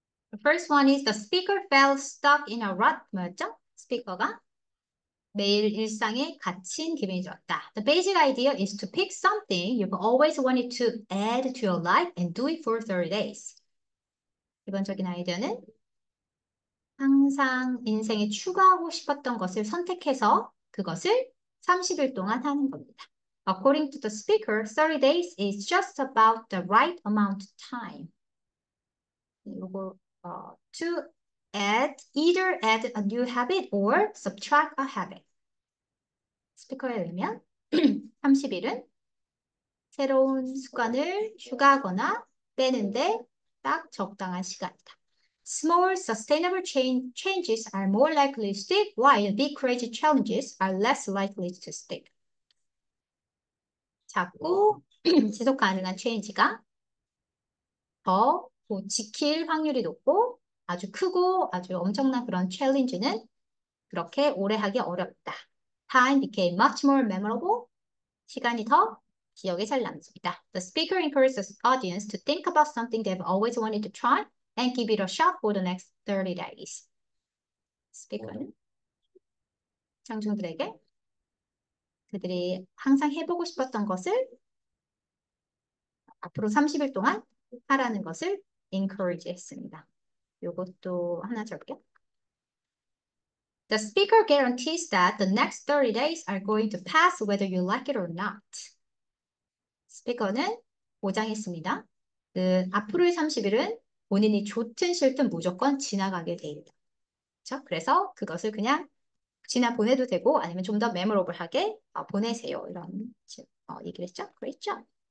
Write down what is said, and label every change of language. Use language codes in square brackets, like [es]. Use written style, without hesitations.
[en] The first one is the speaker felt stuck in a rut. [ko] 뭐였죠? 스피커가 매일 일상에 갇힌 기분이 좋았다. [en] The basic idea is to pick something you've always wanted to add to your life and do it for 30 days. [ko] 기본적인 아이디어는 항상 인생에 추가하고 싶었던 것을 선택해서 그것을 30일 동안 하는 겁니다. [en] According to the speaker, 30 days is just about the right amount of time. 이거 to add, either add a new habit or subtract a habit. [ko] 스피커에 의하면 30일은 새로운 습관을 추가하거나 빼는데 딱 적당한 시간이다. [en] Small sustainable changes are more likely to stick, while big crazy challenges are less likely to stick. [ko] 작고 지속 가능한 체인지가 더 지킬 확률이 높고 아주 크고 아주 엄청난 그런 챌린지는 그렇게 오래 하기 어렵다. [en] Time became much more memorable. [ko] 시간이 더 기억에 잘 남습니다. [en] The speaker encourages the audience to think about something they've always wanted to try and give it a shot for the next 30 days. [ko] 스피커는 청중들에게 그들이 항상 해보고 싶었던 것을 앞으로 30일 동안 하라는 것을 encourage 했습니다. 요것도 하나 적게. [en] The speaker guarantees that the next 30 days are going to pass whether you like it or not. [ko] 스피커는 보장했습니다. 그 앞으로의 30일은 본인이 좋든 싫든 무조건 지나가게 됩니다. 그래서 그것을 그냥 지나 보내도 되고 아니면 좀더 메모러블하게 보내세요. 이런 얘기를 했죠. [en] Great job.